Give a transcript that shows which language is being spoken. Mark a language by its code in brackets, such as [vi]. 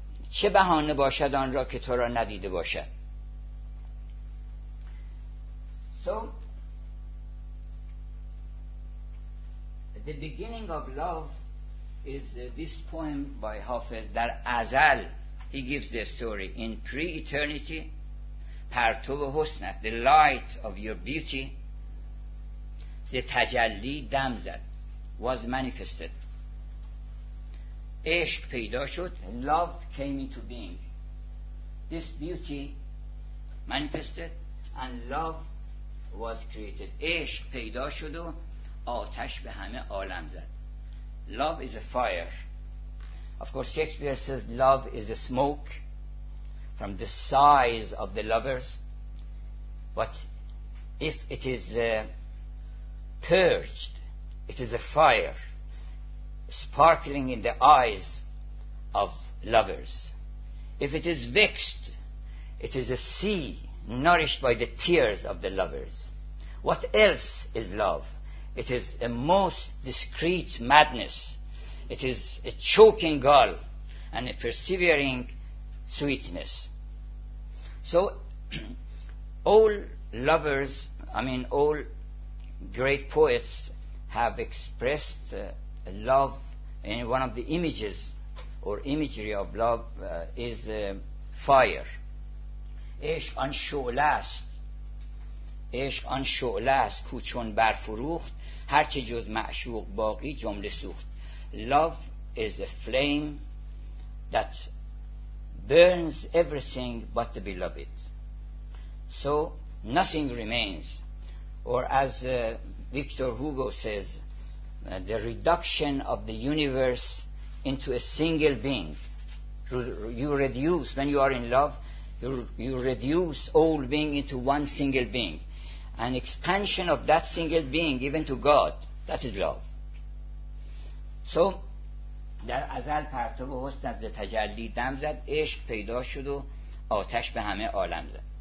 [fa] چه بهانه باشد آن را که تو را ندیده باشد. [en] So the beginning of love is this poem by Hafez. [fa] در ازل [en] he gives the story. In pre-eternity, [fa] پرتو حسنت, [en] the light of your beauty, the [fa] تجلی دم زد, [en] was manifested. [fa] عشق پیدا شد, [en] love came into being. This beauty manifested and love was created. [fa] عشق پیدا شد و آتش به همه عالم زد. [en] Love is a fire. Of course Shakespeare says love is a smoke from the size of the lovers. But if it is purged, it is a fire sparkling in the eyes of lovers. If it is vexed, it is a sea nourished by the tears of the lovers. What else is love? It is a most discreet madness. It is a choking gall and a persevering sweetness. So all lovers, all great poets have expressed love. And one of the images or imagery of love is fire. [fa] عشق آن شعله است. عشق آن شعله است که چون برفروخت هر چه جز معشوق باقی جمله سوخت. [en] Love is a flame that burns everything but the beloved. So nothing remains. Or as Victor Hugo says, the reduction of the universe into a single being. You reduce, when you are in love, you reduce all being into one single being. An expansion of that single being, even to God, that is love. [fa] So, در ازل پرتو حسن از تجلی دم زد, عشق پیدا شد و آتش به همه عالم زد.